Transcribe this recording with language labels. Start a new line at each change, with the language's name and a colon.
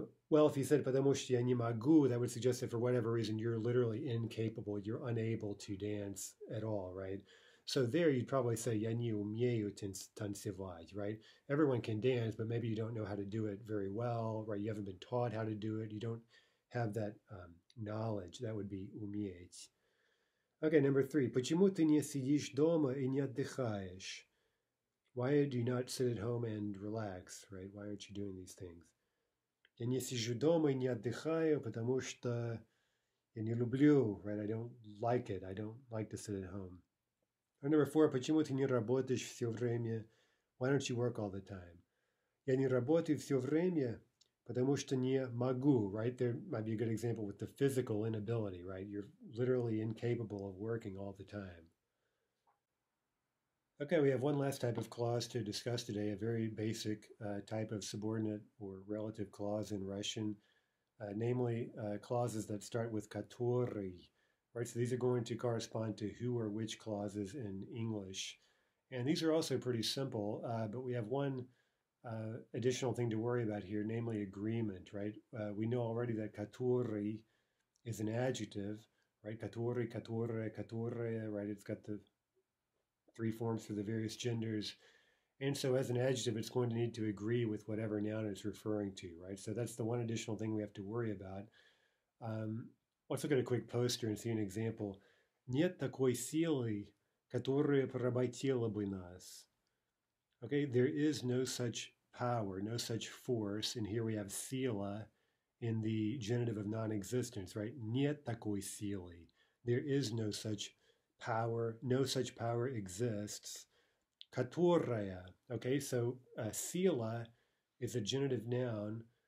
English: Well, if you said
Russian: "потому что я не могу,"
English: that would suggest that for whatever reason you're literally incapable, you're unable to dance at all, right? So there you'd probably say
Russian: "я не умею танцевать,"
English: right? Everyone can dance, but maybe you don't know how to do it very well, right? You haven't been taught how to do it. You don't have that knowledge. That would be "уметь." Okay, number three.
Russian: Почему ты не сидишь дома и не отдыхаешь?
English: Why do you not sit at home and relax, right? Why aren't you doing these things?
Russian: Я не сижу дома и не отдыхаю, потому что я не люблю,
English: right? I don't like it. I don't like to sit at home. Or number four,
Russian: почему ты не работаешь все время?
English: Why don't you work all the time?
Russian: Я не работаю все время, потому что не могу, right?
English: There might be a good example with the physical inability, right? You're literally incapable of working all the time. Okay, we have one last type of clause to discuss today, a very basic type of subordinate or relative clause in Russian, namely clauses that start with который, right? So these are going to correspond to who or which clauses in English. And these are also pretty simple, but we have one additional thing to worry about here, namely agreement, right? We know already that который is an adjective, right?
Russian: Который, которое, которое, right?
English: It's got the three forms for the various genders. And so, as an adjective, it's going to need to agree with whatever noun it's referring to, right? So, that's the one additional thing we have to worry about. Let's look at a quick poster and see an example.
Russian: Нет такой силы, которая поработила бы нас.
English: Okay, there is no such power, no such force. And here we have сила in the genitive of non-existence, right?
Russian: Нет такой силы.
English: There is no such power, no such power exists. Которая, okay, so сила is a genitive noun.